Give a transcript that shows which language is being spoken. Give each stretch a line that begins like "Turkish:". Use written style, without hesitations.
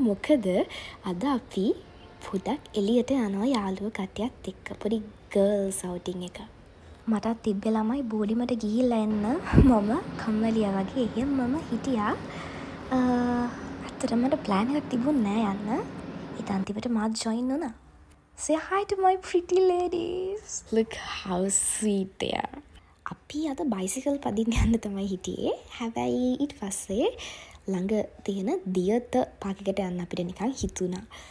Sinhala: මොකද අද අපි පොඩක් එළියට යනවා යාළුව කට්ටියත් එක්ක පොඩි ගර්ල්ස් අවුටින් එක. මටත් තිබ්බේ ළමයි බෝඩිමට ගිහිල්ලා එන්න. මම කම්මැලියා වගේ එහෙම මම හිටියා. ඇත්තටම මට ප්ලෑන් එකක් තිබුණ නෑ යන්න. ඒත් අන්තිමට මාත් ජොයින් වුණා.
English: Say hi to my pretty ladies. Look how sweet they are.
Sinhala: අපි අද බයිසිකල් පදින්න යන්න තමයි හිටියේ. හැබැයි ඊට පස්සේ ළඟ තියෙන දියත පාකකට යන්න අපිට නිකන් හිතුණා.